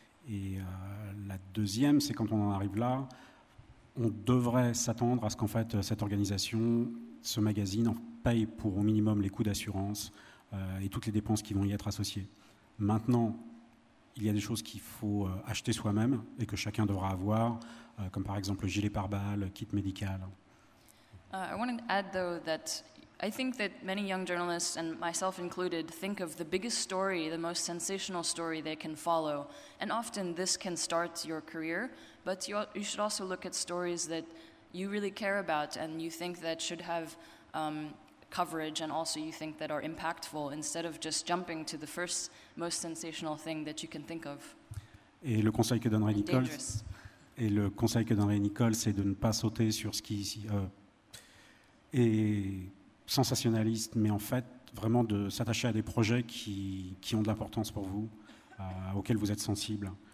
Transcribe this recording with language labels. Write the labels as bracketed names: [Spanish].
[French] Et la deuxième, c'est quand on en arrive là, on devrait s'attendre à ce qu'en fait cette organisation, ce magazine, paye pour au minimum les coûts d'assurance et toutes les dépenses qui vont y être associées. Maintenant, il y a des choses qu'il faut acheter soi-même et que chacun devra avoir, comme par exemple le gilet pare-balles, kit médical. [English] I want to add though that I think that many young journalists and myself included think of the biggest story, the most sensational story they can follow, and often this can start your career, but you should also look at stories that you really care about and you think that should have coverage and also you think that are impactful instead of just jumping to the first most sensational thing that you can think of. [French] Et le conseil que donnerait Nicole, c'est de ne pas sauter sur ce qui est sensationnaliste, mais en fait vraiment de s'attacher à des projets qui ont de l'importance pour vous, auxquels vous êtes sensible.